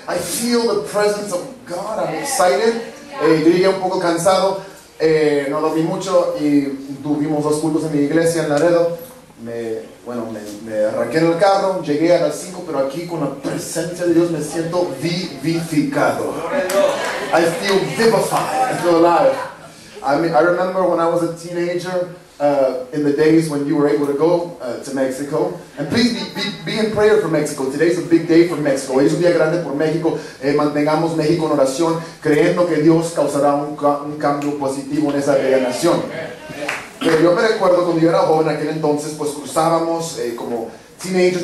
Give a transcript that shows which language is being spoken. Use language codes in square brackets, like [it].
[en] I feel the presence of God. I'm excited. [es] Yo llegué un poco cansado. No dormí mucho y tuvimos dos cultos en mi iglesia en Laredo. Me arranqué en el carro, llegué a las 5, pero aquí con la presencia de Dios me siento vivificado. [en] I feel vivified. I feel alive. I remember when I was a teenager, in the days when you were able to go to Mexico. And please be in prayer for Mexico. Today's a big day for Mexico. [es] Hoy es un día grande por México. Mantengamos México en oración, creyendo que Dios causará un cambio positivo en esa bella nación. Pero yo me recuerdo cuando yo era joven, aquel entonces, pues cruzábamos como teenagers.